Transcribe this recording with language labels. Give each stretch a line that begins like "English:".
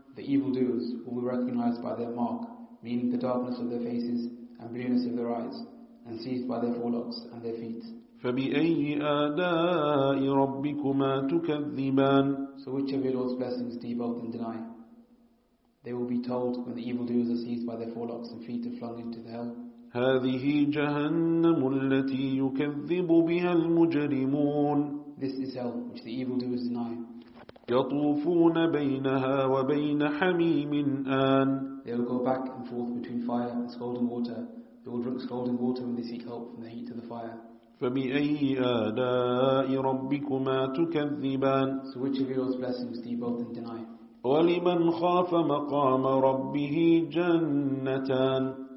English: The evildoers will be recognized by their mark, meaning the darkness of their faces and blueness of their eyes, and seized by their forelocks and their feet.
Arabic: فَبِأَيِّ آلَاءِ رَبِّكُمَا تُكَذِّبَانِ.
English: So which of your Lord's blessings do you both then deny? They will be told when the evildoers are seized by their forelocks and feet are flung into the hell.
Arabic: هذه جهنم التي يكذب بها المجرمون.
English: This is hell which the evildoers deny.
Arabic: يطوفون بينها وبين حميم آن.
English: They will go back and forth between fire and scalding water. They will drink scalding water when they seek help from the heat of the fire.
Arabic: فبأي آلاء ربكما تكذبان.
English: So which of your blessings do you both then deny?
Arabic: ولمن خاف مقام ربه جنتان.